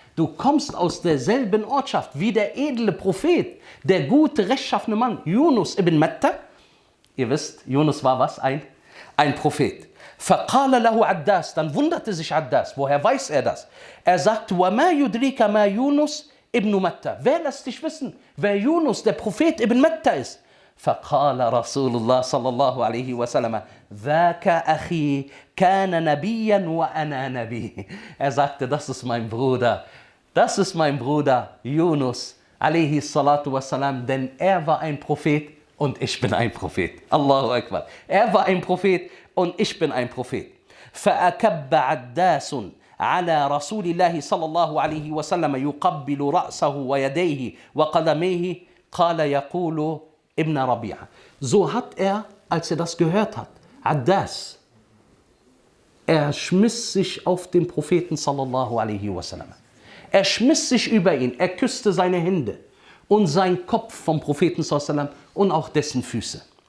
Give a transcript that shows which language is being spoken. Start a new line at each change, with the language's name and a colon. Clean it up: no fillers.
German: Du kommst aus derselben Ortschaft wie der edle Prophet, der gute, rechtschaffene Mann, Yunus ibn Matta. Ihr wisst, Yunus war was? Ein Prophet.
Arabic: Faqala lahu Addas,
German: dann wunderte sich Addas, woher weiß er das? Er sagt,
Arabic: wa ma yudrika ma Yunus ibn Matta.
German: Wer lässt dich wissen, wer Yunus, der Prophet ibn Matta ist?
Arabic: فقال رسول الله صلى الله عليه وسلم ذاك أخي كان نبيا وأنا نبي.
German: Er sagte, das ist mein Bruder, das ist mein Bruder Yunus
Arabic: عليه الصلاة والسلام,
German: denn er war ein Prophet und ich bin ein Prophet. Allahu Akbar. Er war ein Prophet und ich bin ein Prophet.
Arabic: فأكب عداس على رسول الله صلى الله عليه وسلم يقبل رأسه ويديه وقدميه قال يقول Ibn Rabi'a.
German: So hat er, als er das gehört hat, Addas, er schmiss sich auf den Propheten sallallahu alaihi wasallam. Er schmiss sich über ihn, er küsste seine Hände und seinen Kopf vom Propheten sallallahu alaihi wasallam und auch dessen Füße.